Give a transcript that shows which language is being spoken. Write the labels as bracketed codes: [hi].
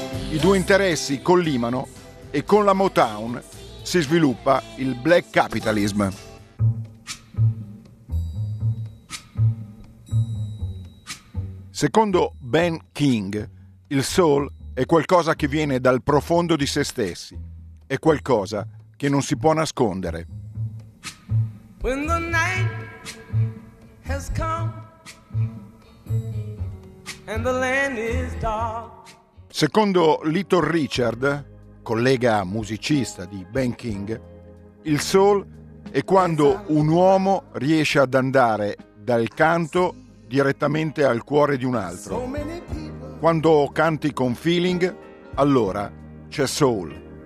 [it] I due interessi collimano e con la Motown si sviluppa il black capitalism. Secondo Ben King, il soul è qualcosa che viene dal profondo di se stessi, è qualcosa che non si può nascondere. [en] When the night has come and the land is dark. [it] Secondo Little Richard, collega musicista di Ben King, il soul è quando un uomo riesce ad andare dal canto direttamente al cuore di un altro. Quando canti con feeling, allora c'è soul.